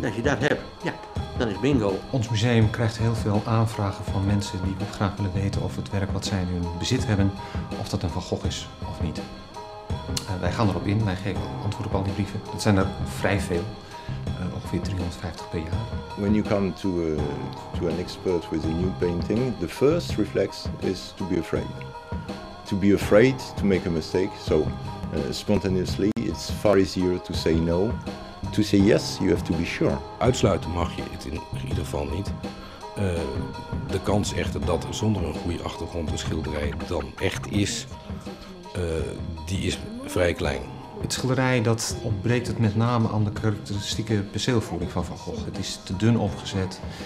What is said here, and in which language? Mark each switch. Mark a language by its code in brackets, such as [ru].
[nl] Als je dat hebt, ja. Dan is bingo. Ons museum krijgt heel veel aanvragen van mensen die graag willen weten of het werk wat zij in hun bezit hebben, of dat een Van Gogh is of niet. Wij gaan erop in, wij geven antwoord op al die brieven. Dat zijn er vrij veel, ongeveer 350 per jaar. [en] When you come to an expert with a new painting, the first reflex is to be afraid. To be afraid to make a mistake, so spontaneously it's far easier to say no. To say yes, you have to be sure. [nl] Uitsluiten mag je het in ieder geval niet. De kans echter dat zonder een goede achtergrond een schilderij dan echt is, die is vrij klein. Het schilderij dat ontbreekt het met name aan de karakteristieke perceelvoering van Van Gogh. Het is te dun opgezet.